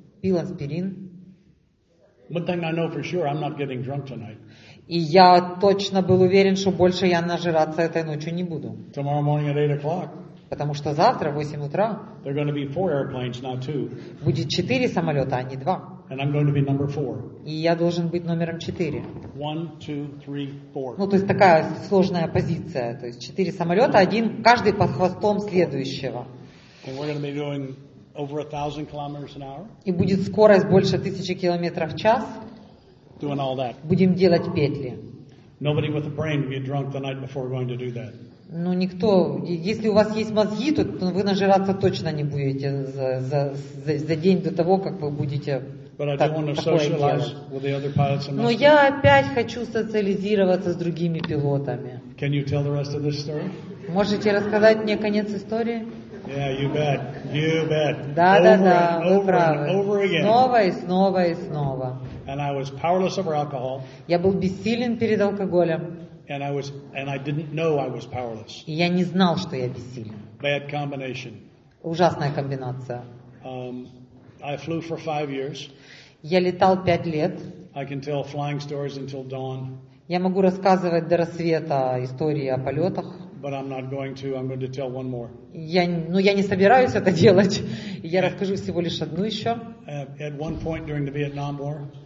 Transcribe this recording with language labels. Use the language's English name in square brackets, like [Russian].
[Russian] Пил аспирин. [English] One thing I know for sure, I'm not getting drunk tonight. [Russian] И я точно был уверен, что больше я нажираться этой ночью не буду. [English] Tomorrow morning at 8 o'clock. [Russian] Потому что завтра в 8 утра. [English] There're going to be 4 airplanes, not 2. [Russian] Будет 4 самолета, а не 2. [English] And I'm going to be number 4. [Russian] И я должен быть номером 4. [English] 1, 2, 3, 4. [Russian] Ну, то есть такая сложная позиция. То есть 4 самолета, один каждый под хвостом следующего. [English] And we're going to be doing over 1,000 kilometers an hour. [Russian] И будет скорость больше 1000 километров в час. [English] Doing all that. [Russian] Будем делать петли. [English] Nobody with a brain would get drunk the night before going to do that. [Russian] Ну никто, если у вас есть мозги, то вы нажираться точно не будете за день до того, как вы будете такое делать. Но я опять хочу социализироваться с другими пилотами. [English] Can you tell the rest of this story? [Russian] Можете рассказать мне конец истории? [English] Yeah, you bet. You bet. [Russian] Да, [English] over [Russian] да, [English] and, [Russian] да, [English] over [Russian] вы правы. [English] And over again. [Russian] Снова и снова и снова. [English] And I was powerless over alcohol. [Russian] Я был бессилен перед алкоголем. [English] And I didn't know I was powerless. [Russian] И я не знал, что я бессилен. [English] Bad combination. [Russian] Ужасная комбинация. [English] I flew for 5 years. [Russian] Я летал 5 лет. [English] I can tell flying stories until dawn. [Russian] Я могу рассказывать до рассвета истории о полетах. [English] But I'm not going to. I'm going to tell one more. [Russian] Я не собираюсь это делать. Я расскажу всего лишь одну еще. [English] At one point during the Vietnam War.